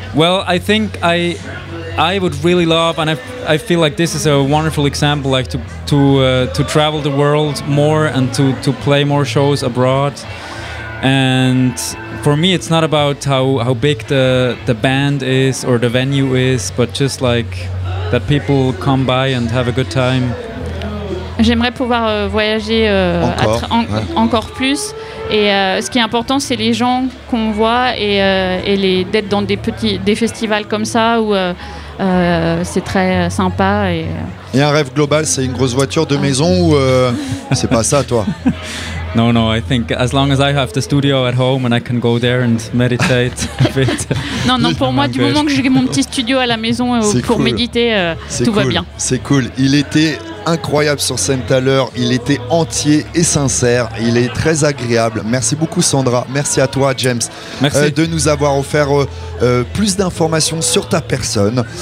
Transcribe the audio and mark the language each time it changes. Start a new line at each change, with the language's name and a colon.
English: Well, I think I would really love, and I feel like this is a wonderful example, like to travel the world more and to play more shows abroad. And for me, it's not about how big the band is or the venue is, but just like that people come by and have a good time.
French: J'aimerais pouvoir voyager encore plus. Et ce qui est important, c'est les gens qu'on voit et les d'être dans des festivals comme ça où c'est très sympa. Et un rêve global, c'est une grosse voiture de maison ou c'est pas ça, toi?
English: No, no. I think as long as I have the studio at home and I can go there and meditate a bit.
French: Non, non. Pour moi, du moment que j'ai mon petit studio à la maison méditer, va bien. C'est cool. Il était incroyable sur scène tout à l'heure. Il était entier et sincère. Il est très agréable. Merci beaucoup, Sandra. Merci à toi, James. Merci de nous avoir offert plus d'informations sur ta personne.